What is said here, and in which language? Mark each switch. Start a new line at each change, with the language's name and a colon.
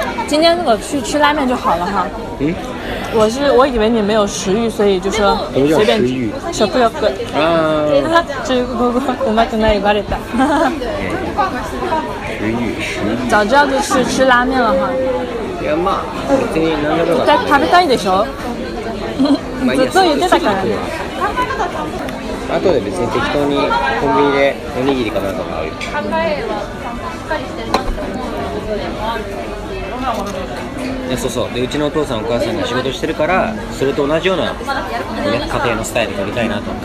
Chinese: 今天如果去吃拉面就好了哈。嗯。我以为你没有食欲，所以就说随便。什么叫食欲？食欲。啊。
Japanese: 哈哈，中国语うまくないバレた。
Chinese: 食欲。早知道就去吃拉面了哈。
Japanese: まあ、絶対食べたいでしょ、まあ、ずっと言ってたからね。あとで別に適当にコンビニでおにぎりかなとかあるよ。そうそう、でうちのお父さんお母さんが仕事してるからそれと同じような家庭のスタイル取りたいなと。